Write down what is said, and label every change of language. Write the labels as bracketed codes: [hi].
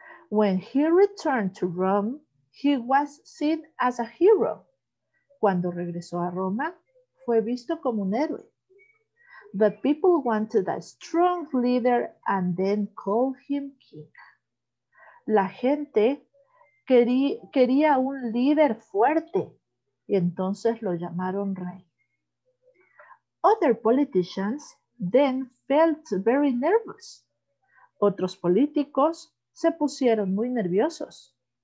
[en] When he returned to Rome, he was seen as a hero. [es] Cuando regresó a Roma, fue visto como un héroe. [en] The people wanted a strong leader and then called him king. [es] La gente quería un líder fuerte y entonces lo llamaron rey. [en] Other politicians then felt very nervous. [es] Otros políticos se pusieron muy nerviosos.